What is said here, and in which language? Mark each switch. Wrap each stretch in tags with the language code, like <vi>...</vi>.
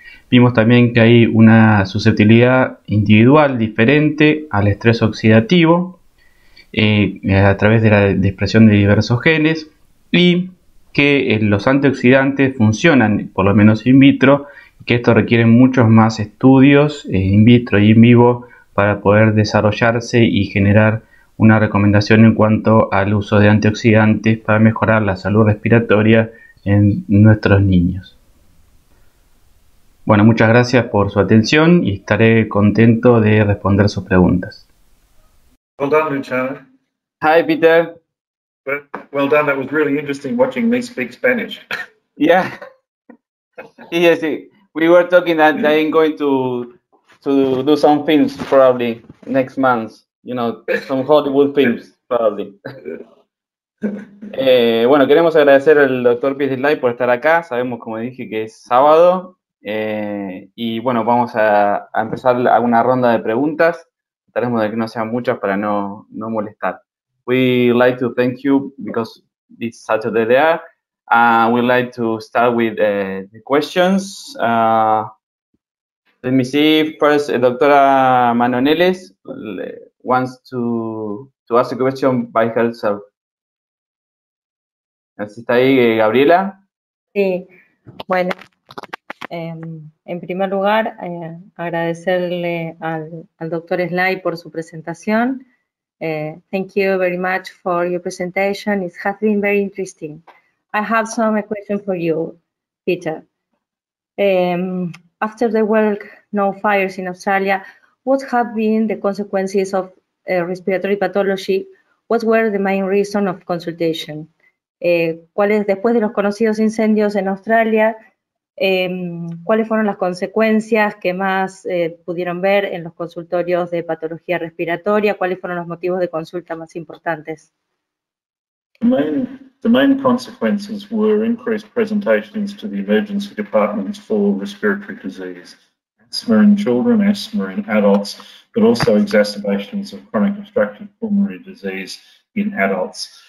<es>Vimos también que hay una susceptibilidad individual diferente al estrés oxidativo a través de la expresión de diversos genes, y que los antioxidantes funcionan, por lo menos in vitro, y que esto requiere muchos más estudios in vitro y in vivo para poder desarrollarse y generar una recomendación en cuanto al uso de antioxidantes para mejorar la salud respiratoria en nuestros niños. Bueno, muchas gracias por su atención y estaré contento de responder sus preguntas.</es> <en>Well done, Luciano. Hi, Peter. Well done, that was really interesting watching me speak Spanish. Yeah. Yes, we were talking that I am going to do some films probably next month, you know, some Hollywood films probably.</en> <es>Bueno, queremos agradecer al doctor Pizzislay por estar acá. Sabemos, como dije, que es sábado. Y bueno, vamos a empezar alguna ronda de preguntas. Trataremos de que no sean muchas para no molestar.</es> <en>We'd like to thank you because it's Saturday there. We'd like to start with the questions. Let me see. First, doctora Manoneles wants to ask a question by herself.</en> <es>¿Está ahí Gabriela? Sí, bueno, en primer lugar agradecerle al doctor Sly por su presentación.</es> <en>Thank you very much for your presentation. It has been very interesting. I have some questions for you, Peter. After the world no fires in Australia, what have been the consequences of respiratory pathology? What were the main reasons of consultation?</en> <es>¿Cuáles, después de los conocidos incendios en Australia, cuáles fueron las consecuencias que más pudieron ver en los consultorios de patología respiratoria? ¿Cuáles fueron los motivos de consulta más importantes?</es> <en>The main consequences were increased presentations to the emergency departments for respiratory disease, asthma in children, asthma in adults, but also exacerbations of chronic obstructive pulmonary disease in adults.</en>